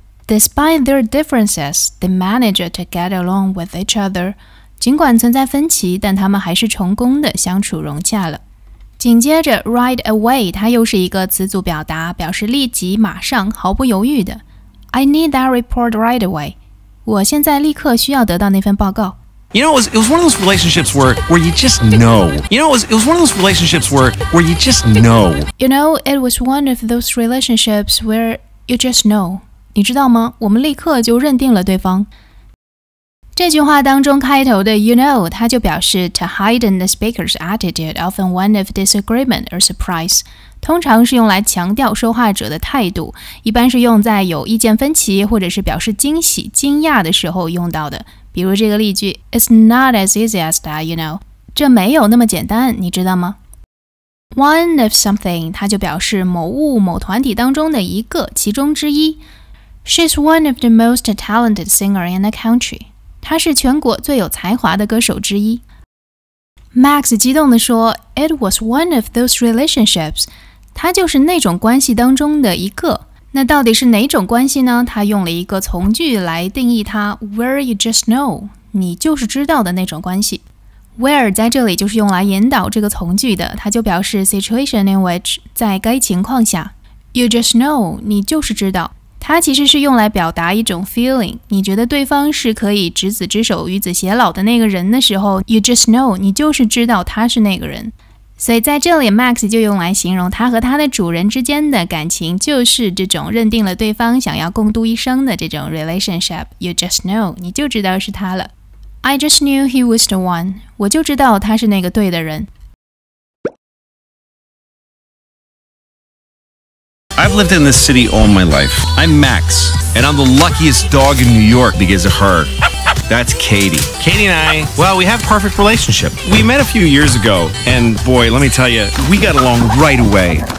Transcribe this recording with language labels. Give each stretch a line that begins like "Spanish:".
English: Despite their differences, they managed to get along with each other.
Chinese: 尽管存在分歧，但他们还是成功的相处融洽了。紧接着
English: right away
Chinese: 它又是一个词组表达，表示立即、马上、毫不犹豫的。
English: I need that report right away.
Chinese: 我现在立刻需要得到那份报告。
English: You know, it was one of those relationships where you just know. You know, it was one of those relationships where you just know. You know, it was one of those relationships where you just know.
Chinese: 你知道吗？我们立刻就认定了对方。这句话当中开头的
English: you know,
Chinese: 它就表示
English: to heighten the speaker's attitude, often one of disagreement or surprise.
Chinese: 通常是用来强调说话者的态度，一般是用在有意见分歧或者是表示惊喜、惊讶的时候用到的。比如这个例句
English: It's not as easy as that, you know.
Chinese: 这没有那么简单，你知道吗？
English: One of something,
Chinese: 它就表示某物、某团体当中的一个、其中之一。
English: She's one of the most talented singers in the country.
Chinese: 她是全国最有才华的歌手之一。
English: Max
Chinese: 激动地说
English: It was one of those relationships.
Chinese: 它就是那种关系当中的一个。那到底是哪种关系呢？他用了一个从句来定义它
English: where you just know,
Chinese: 你就是知道的那种关系。 Where 在这里就是用来引导这个从句的，它就表示
English: situation in which,
Chinese: 在该情况下。
English: You just know,
Chinese: 你就是知道。它其实是用来表达一种 feeling, 你觉得对方是可以执子之手与子偕老的那个人的时候 ,
English: you just know,
Chinese: 你就是知道他是那个人。所以在这里 Max 就用来形容他和他的主人之间的感情就是这种认定了对方想要共度一生的这种 relationship.
English: You just know,
Chinese: 你就知道是他了。
English: I just knew he was the one.
Chinese: 我就知道他是那个对的人。
English: I've lived in this city all my life. I'm Max, and I'm the luckiest dog in New York because of her. That's Katie. Katie and I, well, we have a perfect relationship. We met a few years ago, and boy, let me tell you, we got along right away.